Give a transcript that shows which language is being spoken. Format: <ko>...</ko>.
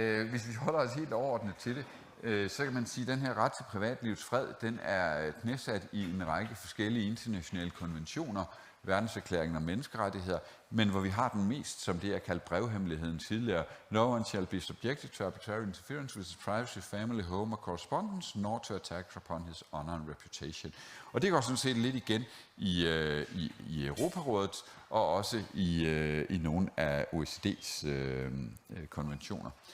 <da>Hvis vi holder os helt overordnet til det, så kan man sige, at den her ret til privatlivets fred, den er knæsat i en række forskellige internationale konventioner, verdenserklæringen om menneskerettigheder, men hvor vi har den mest, som det er kaldt brevhemmeligheden tidligere.</da> <en>No one shall be subjected to arbitrary interference with his privacy, family, home or correspondence, nor to attack upon his honor and reputation.</en> <da>Og det går sådan set lidt igen i Europarådet og også i nogle af OECD's konventioner.</da>